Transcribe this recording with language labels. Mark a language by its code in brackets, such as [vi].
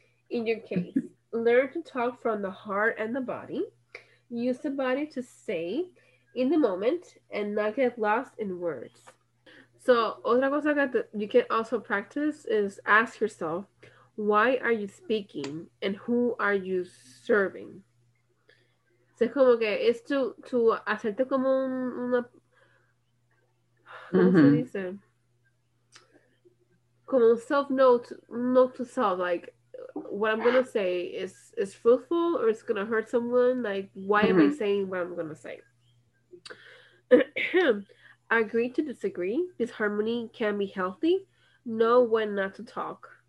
[en] In your case, learn to talk from the heart and the body. Use the body to say in the moment and not get lost in words. So, [es] otra cosa que [en] you can also practice is ask yourself, why are you speaking and who are you serving? [es] So, como que es to hacerte como una. ¿Cómo se dice? [en] Como self note to self, like, what I'm gonna say is fruitful or it's gonna hurt someone? Like, why mm-hmm. am I saying what I'm gonna say? Agree to disagree. Disharmony can be healthy. Know when not to talk.